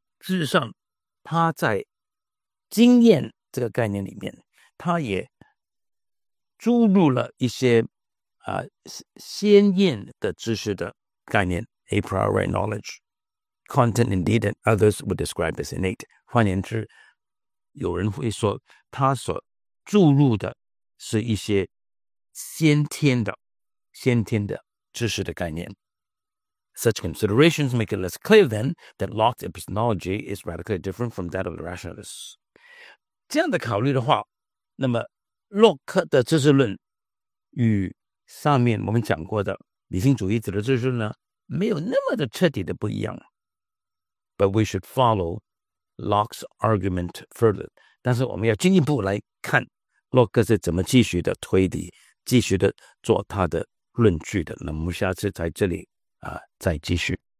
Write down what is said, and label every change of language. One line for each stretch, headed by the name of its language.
Chinese: 事实上他在经验这个概念里面他也注入了一些先验的知识的概念
English: a priori knowledge. Content indeed that others would describe as innate.
Chinese: 换言之有人会说他所注入的是一些先天的知识的概念。
English: Such considerations make it less clear then that Locke's epistemology is radically different from that of the rationalists.
Chinese: 这样的考虑的话，那么洛克的知识论与上面我们讲过的理性主义者的知识论呢没有那么的彻底的不一样。
English: But we should followLocke's argument further.
Chinese: 但是我们要进一步来看洛克是怎么继续的推理，继续的做他的论据的。那么下次在这里再继续。